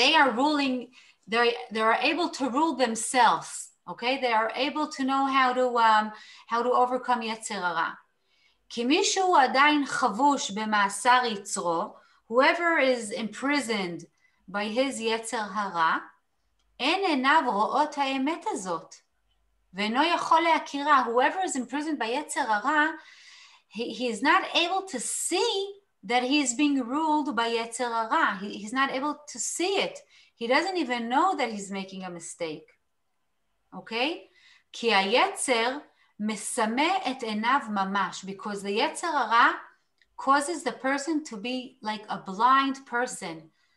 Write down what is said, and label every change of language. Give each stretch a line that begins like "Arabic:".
English: And they are able to rule themselves, okay? They are able to know how to overcome Yetzer Hara.
Hebrew: כי מישהו עדיין חבוש במאסר יצרו,
English: whoever is imprisoned by his Yetzer Hara,
Hebrew: אין עיניו רואות האמת הזאת, ואינו יכול להכירה.
English: Whoever is imprisoned by יצר הרע, he is not able to see that he is being ruled by יצר הרע. He is not able to see it. He doesn't even know that he's making a mistake. Okay?
Hebrew: כי היצר מסמא את עיניו ממש,
English: because the יצר הרע causes the person to be like a blind person.